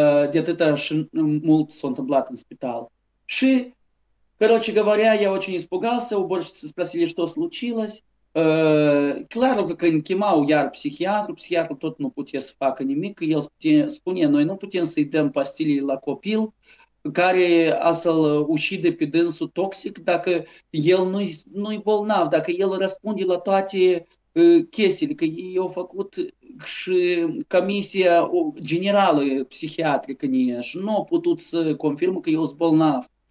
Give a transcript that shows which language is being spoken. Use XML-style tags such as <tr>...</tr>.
<ro>De atâta și mult s-a întâmplat în spital.</ro> <ru>Și, короче говоря, я очень испугался, уборщицы спросили, что случилось.</ru> <ro>Claro că când chemau iar psihiatru, psihiatru tot nu putea să facă nimic, el spune, noi nu putem să-i dăm pastilii la copil, care astfel ucide pe dânsul toxic dacă el nu-i bolnav, dacă el răspunde la toate chestiile, că ei au făcut și comisia generală psihiatrică în ea și nu au putut să confirmă că el sunt bolnav.</ro>